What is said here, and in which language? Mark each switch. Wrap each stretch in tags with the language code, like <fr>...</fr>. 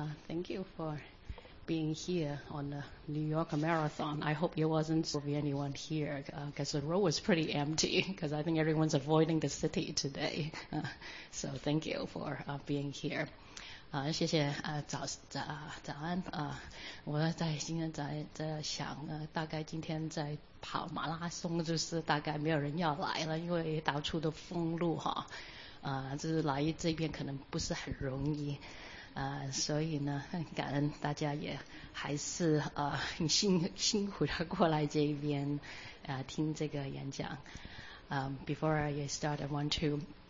<en>Thank you for being here on the New York Marathon. I hope there wasn't anyone here because the road was pretty empty because I think everyone's avoiding the city today. So thank you for being here.</en> <zh>谢谢早安我在今天在想大概今天在跑马拉松就是大概没有人要来了因为到处都封路哈。就是来这边可能不是很容易所以呢感恩大家也还是很辛苦的过来这边听这个演讲</zh> <en>before I start I want to</en>